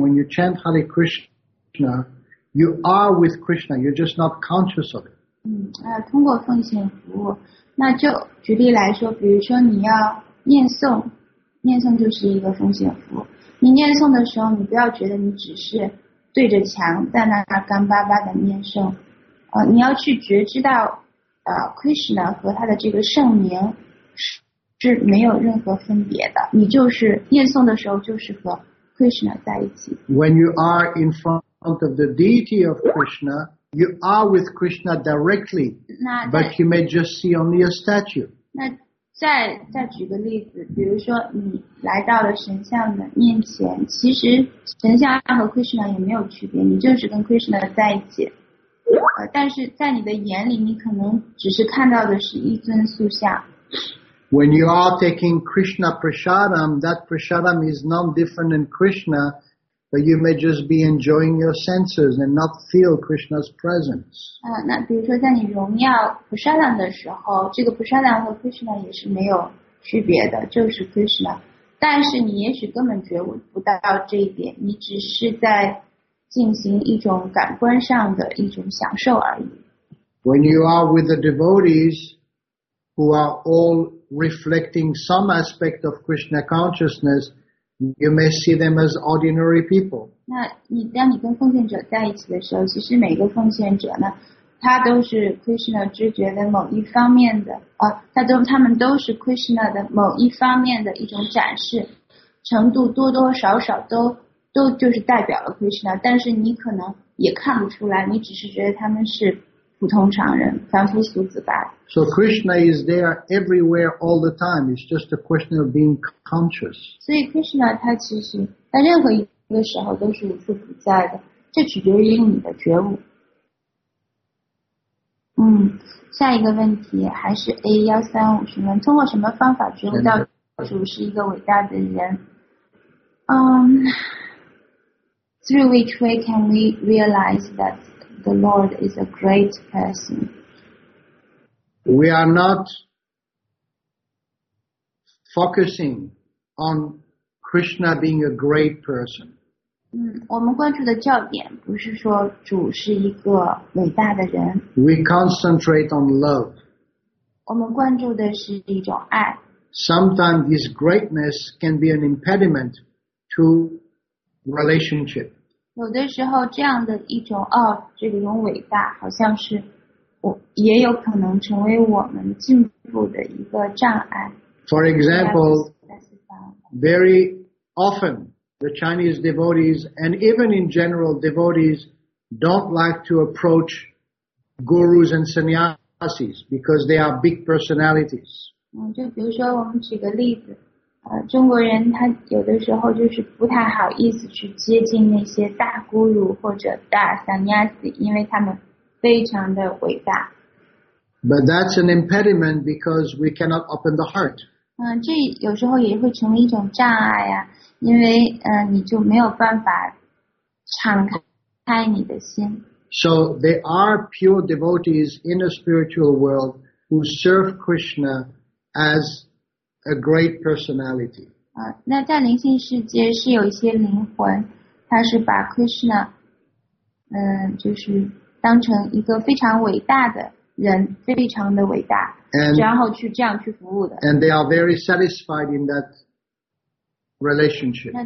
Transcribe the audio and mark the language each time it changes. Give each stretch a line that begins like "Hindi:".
English: When you chant Hare Krishna, you are with Krishna. You're just not conscious of it.
Chinese: 通过奉献服务，那就举例来说，比如说你要念诵，念诵就是一个奉献服务。你念诵的时候，你不要觉得你只是对着墙在那干巴巴的念诵。你要去觉知到，Krishna 和他的这个圣名。是没有任何分别的，你就是念诵的时候就是和 Krishna 在一起。
English: When you are in front of the deity of Krishna, you are with Krishna directly, but you may just see only a statue.
Chinese: 那再举个例子，比如说你来到了神像的面前，其实神像和 Krishna 也没有区别，你就是跟 Krishna 在一起。但是在你的眼里，你可能只是看到的是一尊塑像。
English: When you are taking Krishna prasadam, that prasadam is none different than Krishna, but you may just be enjoying your senses and not feel Krishna's presence.
Chinese: 那比如说在你荣耀 prasadam 的时候，这个 prasadam 和 Krishna 也是没有区别的，就是 Krishna。但是你也许根本觉悟不到这一点，你只是在进行一种感官上的一种享受而已。
English: When you are with the devotees who are all reflecting some aspect of Krishna consciousness, you may see them as ordinary people.
Chinese: 那你当你跟奉献者在一起的时候，其实每个奉献者呢，他都是 Krishna 知觉的某一方面的，他们都是 Krishna 的某一方面的一种展示，程度多多少少都就是代表了 Krishna， 但是你可能也看不出来，你只是觉得他们是。普通常人，凡夫俗子罢了。
English: So Krishna is there everywhere all the time. It's just a question of being conscious.
Chinese: 所以 Krishna 他其实在任何一个时候都是无处不在的，这取决于你的觉悟。下一个问题还是 A135询问，通过什么方法觉悟到主是一个伟大的人？
English: Through which way can we realize that? The Lord is a great person. We are not focusing on Krishna being a great person.
Chinese: 我们关注的焦点不是说主是一个伟大的人。
English: We concentrate on love.
Chinese: 我们关注的是一种爱。
English: sometimes his greatness can be an impediment to relationship.
Chinese: 有的时候这样的一种哦，这种伟大好像是我也有可能成为我们进步的一个障碍。
English: For example, very often the Chinese devotees and even in general devotees don't like to approach gurus and sannyasis because they are big personalities.
Chinese: 就比如说我们举个例子，中国人他有的时候就是不太好意思去接近那些大孤儒或者大 sannyasi， 因为他们非常的伟大。
English: But that's an impediment because we cannot open the heart.
Chinese: 这有时候也会成为一种障碍啊，因为你就没有办法敞开你的心。
English: So there are pure devotees in the spiritual world who serve Krishna as a great personality.
Chinese: 那在灵性世界是有一些灵魂，他是把 Krishna， 就是当成一个非常伟大的人，非常的伟大，
English: and,
Chinese: 然后去这样去服务的。
English: And they are very satisfied in that relationship.